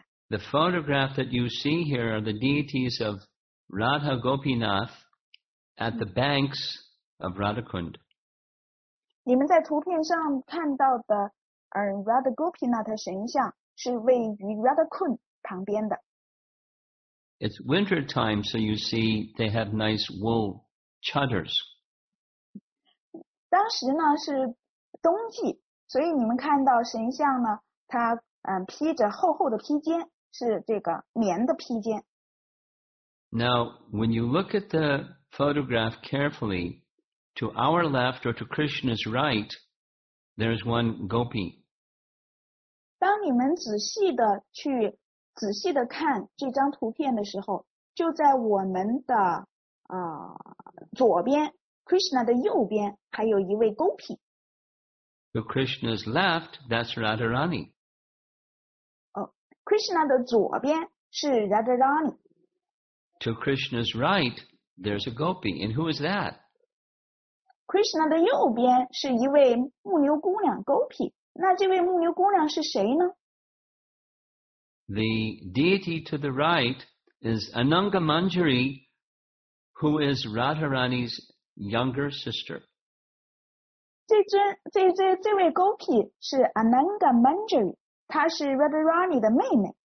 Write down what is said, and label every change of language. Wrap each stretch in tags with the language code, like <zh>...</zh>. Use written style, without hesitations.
<en>The photograph that you see here are the deities of Radha Gopinath at the banks of Radhakund.</en> <zh>你们在图片上看到的Radha Gopinath 的神像是位于 Radhakund 旁边的。</zh> <en>It's winter time, so you see they have nice wool chadars.</en> <zh>当时呢是冬季，所以你们看到神像呢，它披着厚厚的披肩，是这个棉的披肩。</zh> <en>Now, when you look at the photograph carefully, to our left or to Krishna's right, there's one gopi.</en> <zh>当你们仔细的看这张图片的时候，就在我们的左边 ，Krishna 的右边，还有一位 Gopi。</zh> <en>To Krishna's left, that's Radharani.</en> <zh>Krishna 的左边是 Radharani.</zh> <en>To Krishna's right, there's a Gopi, and who is that?</en> <zh>Krishna 的右边是一位牧牛姑娘 Gopi. 那这位牧牛姑娘是谁呢</zh> <en>？The deity to the right is Ananga Manjari, who is Radharani's younger sister.</en> <zh>这位 Gopi 是 Ananga Manjari， 她是 Radharani 的妹妹。</zh>